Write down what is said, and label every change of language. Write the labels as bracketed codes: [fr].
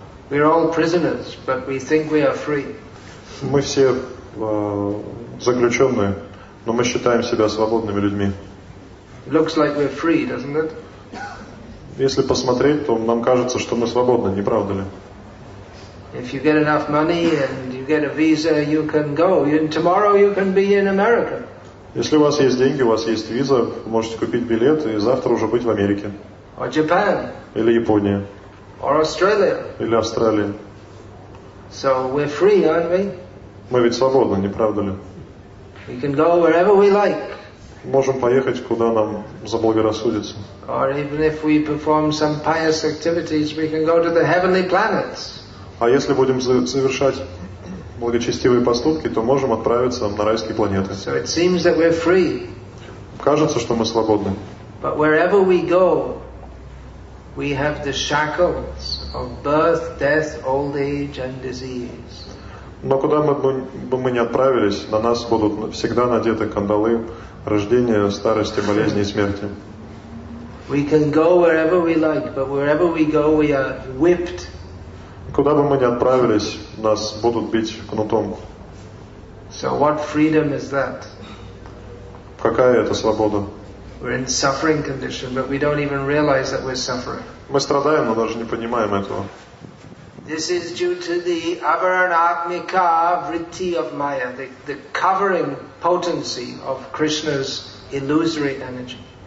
[en] We are all prisoners, but we think we are free. [ru] Мы все заключенные, но мы считаем себя свободными людьми. [en] Looks like we're free, doesn't it? [ru] Если посмотреть, то нам кажется, что мы свободны, не правда ли? [en] If you get enough money and you get a visa, you can go. Tomorrow you can be in America. [ru] Если у вас есть деньги, у вас есть виза, можете купить билет и завтра уже быть в Америке. [en] Or Japan. [ru] Или Япония. [en] Or Australia. [ru] Или Австралия. [en] So we're free, aren't we? [ru] Мы ведь свободны, не правда ли? [en] We can go wherever we like. [ru] Можем поехать куда нам заблагорассудится. [en] Or even if we perform some pious activities, we can go to the heavenly planets. [ru] А если будем совершать благочестивые поступки, то можем отправиться на райские планеты. [en] So it seems that we're free. [ru] Кажется, что мы свободны. [en] But wherever we go, we have the shackles of birth, death, old age and disease. [ru] Но куда бы мы ни отправились, на нас будут всегда надеты кандалы рождения, старости, болезни и смерти. [en] We can go wherever we like, but wherever we go, we are whipped. [ru] Куда бы мы ни отправились, нас будут бить кнутом. [en] So what freedom is that? [ru] Какая это свобода? [en] We're in suffering condition, but we don't even realize that we're suffering. [ru] Мы страдаем, но даже не понимаем этого. [en] This is due to the avaranatmika vritti of Maya, the covering potency of Krishna's illusory energy.